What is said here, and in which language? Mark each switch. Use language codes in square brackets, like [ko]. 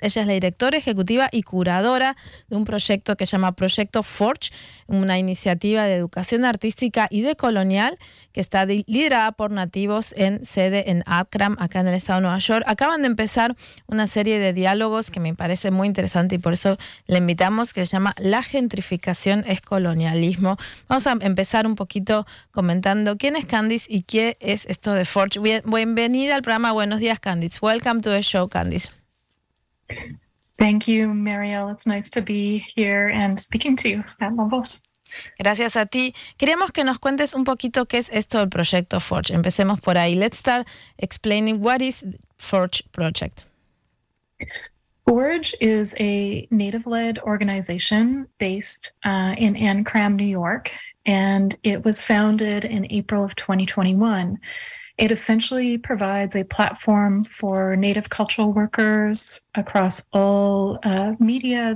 [es] Ella es la directora ejecutiva y curadora de un proyecto que se llama Proyecto Forge, una iniciativa de educación artística y decolonial que está liderada por nativos en sede en Akram, acá en el estado de Nueva York. Acaban de empezar una serie de diálogos que me parece muy interesante y por eso la invitamos, que se llama La gentrificación es colonialismo. Vamos a empezar un poquito comentando quién es Candice y qué es esto de Forge. Bienvenida al programa. Buenos días, Candice. [en] Welcome to the show, Candice. Thank you, Mariel. It's nice to be here and speaking to you at La Voz. [es] Gracias a ti. Queremos que nos cuentes un poquito qué es esto del proyecto Forge. Empecemos por ahí. [en] Let's start explaining what is Forge Project. Forge is a native-led organization based in Ankrum, New York, and it was founded in April of 2021. It essentially provides a platform for Native cultural workers across all media.